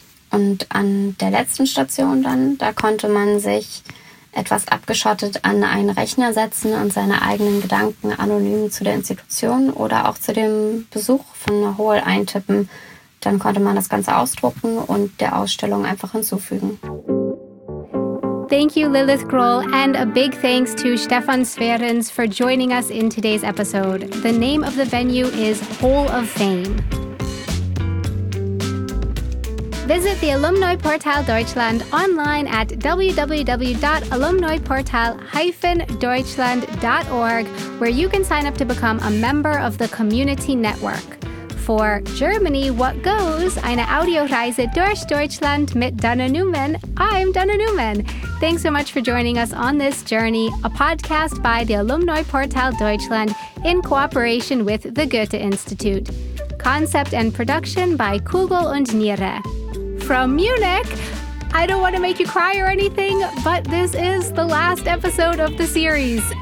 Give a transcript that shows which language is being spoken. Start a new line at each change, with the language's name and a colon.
German: Und an der letzten Station dann, da konnte man sich etwas abgeschottet an einen Rechner setzen und seine eigenen Gedanken anonym zu der Institution oder auch zu dem Besuch von Hohl eintippen. Dann konnte man das Ganze ausdrucken und der Ausstellung einfach hinzufügen.
English: Thank you, Lilith Grohl, and a big thanks to Stefan Sverens for joining us in today's episode. The name of the venue is Hall of Fame. Visit the Alumni Portal Deutschland online at www.alumniportal-deutschland.org, where you can sign up to become a member of the community network. For Germany, what goes?
German: Eine Audioreise durch Deutschland mit Dana Neumann.
English: I'm Dana Neumann. Thanks so much for joining us on this journey, a podcast by the Alumni Portal Deutschland in cooperation with the Goethe Institute. Concept and production by Kugel und Niere. From Munich, I don't want to make you cry or anything, but this is the last episode of the series.